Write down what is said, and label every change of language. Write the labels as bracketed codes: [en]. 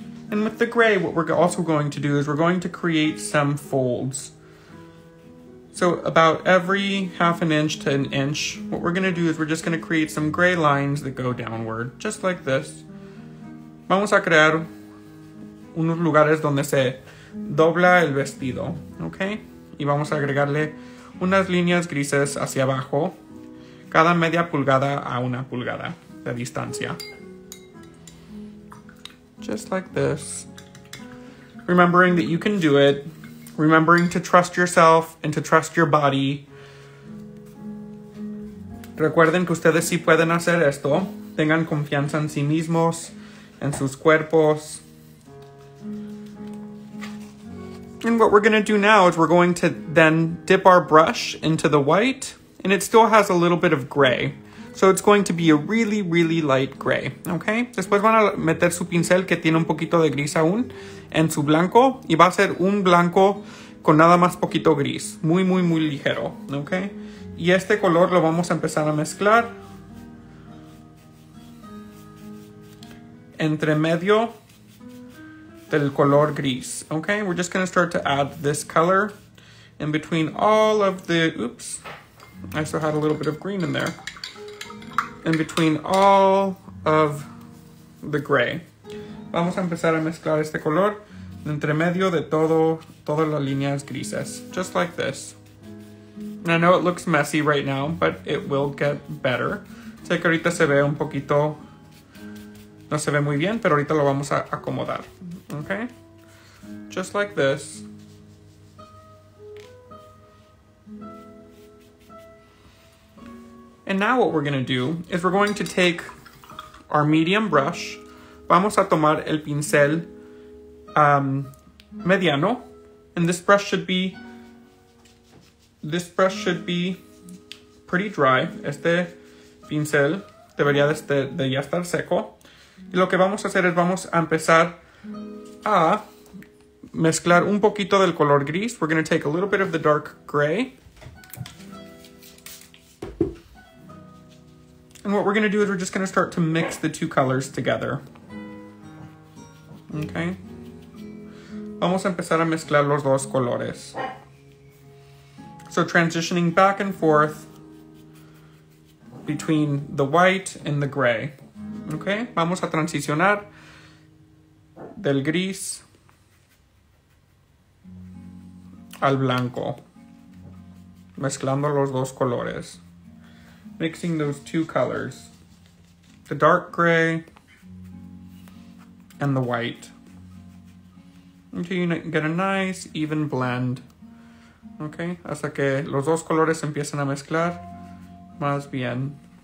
[en] And with the gray, what we're also going to do is we're going to create some folds. So about every half an inch to an inch, what we're going to do is we're just going to create some gray lines that go downward, just like this. [es] Vamos a crear unos lugares donde se dobla el vestido, okay? Y vamos a agregarle unas líneas grises hacia abajo, cada media pulgada a una pulgada de distancia. [en] Just like this. Remembering that you can do it. Remembering to trust yourself and to trust your body. [es] Recuerden que ustedes sí pueden hacer esto. Tengan confianza en sí mismos, en sus cuerpos. [en] And what we're going to do now is we're going to then dip our brush into the white. And it still has a little bit of gray. So it's going to be a really, really light gray, okay? [es] Después van a meter su pincel que tiene un poquito de gris aún en su blanco y va a ser un blanco con nada más poquito gris. Muy, muy, muy ligero, okay? Y este color lo vamos a empezar a mezclar entre medio del color gris, okay? [en] We're just going to start to add this color in between all of the... Oops, I still had a little bit of green in there. In between all of the gray. [es] Vamos a empezar a mezclar este color entre medio de todas las líneas grises. [en] Just like this. And I know it looks messy right now, but it will get better. [es] Sé que ahorita se ve un poquito... No se ve muy bien, pero ahorita lo vamos a acomodar. [en] Okay? Just like this. And now what we're going to do is we're going to take our medium brush. [es] Vamos a tomar el pincel mediano. [en] And this brush should be pretty dry. [es] Este pincel debería de ya estar seco. Y lo que vamos a hacer es vamos a empezar a mezclar un poquito del color gris. [en] We're going to take a little bit of the dark gray. And what we're going to do is we're just going to start to mix the two colors together. Okay. [es] Vamos a empezar a mezclar los dos colores. [en] So transitioning back and forth between the white and the gray. [es] Okay. Vamos a transicionar del gris al blanco. Mezclando los dos colores. [en] Mixing those two colors, the dark gray and the white, until you get a nice, even blend. [es] Okay, hasta que los dos colores empiecen a mezclar más bien.